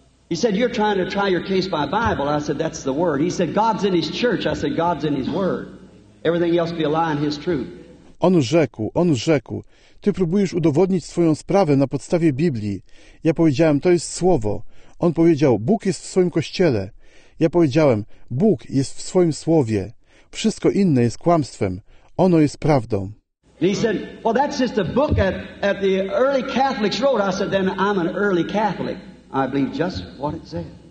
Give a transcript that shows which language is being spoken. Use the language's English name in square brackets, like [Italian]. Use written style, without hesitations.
[English] He said, you're trying to try your case by Bible. I said, that's the word. He said, God's in his church. I said, God's in his word. Everything else be a lie and his truth. [Polish] On rzekł, ty próbujesz udowodnić swoją sprawę na podstawie Biblii. Ja powiedziałem, to jest słowo. On powiedział, Bóg jest w swoim kościele. Ja powiedziałem, Bóg jest w swoim słowie. Wszystko inne jest kłamstwem. Ono jest prawdą. [English] And he said, well, that's just a book at the early Catholics wrote. I said, then I'm an early Catholic. I believe just what it said.